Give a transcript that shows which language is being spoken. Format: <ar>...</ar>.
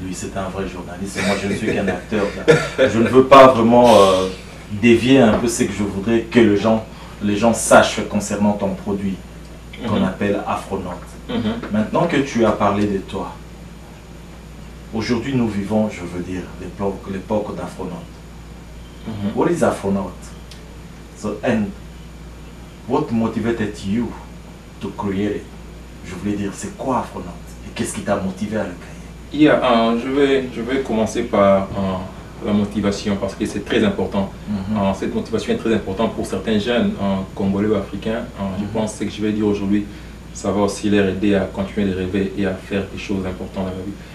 <fr>Lui, c'est un vrai journaliste. Et moi, je ne suis qu'un acteur. Je ne veux pas vraiment dévier un peu ce que je voudrais que les gens sachent concernant ton produit qu'on appelle Afronautes. Maintenant que tu as parlé de toi, aujourd'hui nous vivons, je veux dire, l'époque d'Afronautes.</fr> <en>What is Afronautes? So, and what motivated you to create it?</en> <fr>Je voulais dire, c'est quoi Afronautes? Et qu'est-ce qui t'a motivé à le créer? Yeah, je vais commencer par la motivation parce que c'est très important. Cette motivation est très importante pour certains jeunes congolais ou africains. Je pense que ce que je vais dire aujourd'hui, ça va aussi les aider à continuer de rêver et à faire des choses importantes dans la vie.</fr>